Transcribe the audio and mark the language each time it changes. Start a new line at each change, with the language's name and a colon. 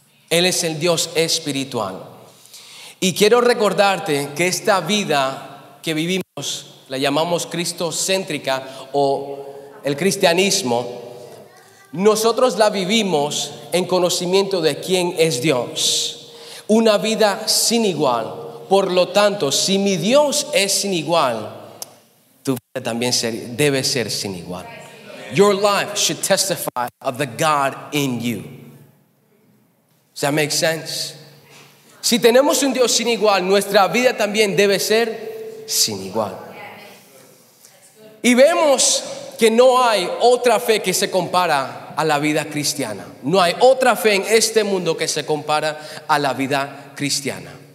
Spanish: Él es el Dios espiritual. Y quiero recordarte que esta vida que vivimos la llamamos cristocéntrica o el cristianismo. Nosotros la vivimos en conocimiento de quién es Dios. Una vida sin igual. Por lo tanto, si mi Dios es sin igual, tu vida también debe ser sin igual.
English: Your life should testify of the God in you. Does that make sense?
Spanish: Si tenemos un Dios sin igual, nuestra vida también debe ser sin igual. Y vemos que no hay otra fe que se compara a la vida cristiana. No hay otra fe en este mundo que se compara a la vida cristiana.